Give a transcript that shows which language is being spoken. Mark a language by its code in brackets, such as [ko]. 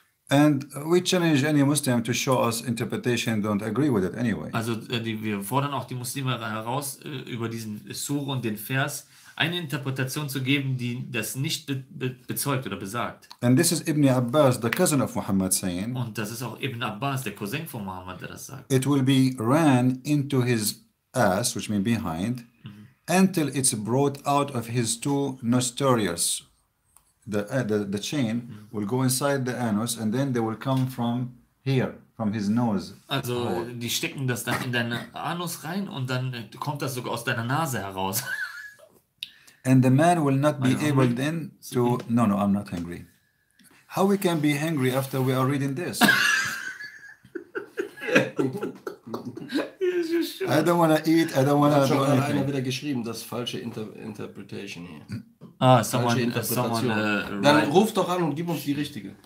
[en] And we challenge any Muslim to show us interpretation and don't agree with it anyway. [de] Also wir fordern auch die Muslime heraus, über diesen Surah und den Vers eine Interpretation zu geben, die das nicht bezeugt oder besagt. [en] And this is Ibn Abbas, the cousin of Muhammad, saying. [de] Und das ist auch Ibn Abbas, der Cousin von Muhammad, der das sagt. [en] It will be ran into his ass, which means behind, until it's brought out of his two nostrils. The chain will go inside the anus and then they will come from here, from his nose. [de] Also die stecken das dann in deinen Anus rein und dann kommt das sogar aus deiner Nase heraus. [en] And the man will not be able then to... No, I'm not hungry. How we can be hungry after we are reading this? I don't want to eat, I don't want to... [de] Schon hat einer wieder geschrieben, das falsche Interpretation hier. [en] Ah, someone dann right. [de] Ruf doch an und gib uns die richtige.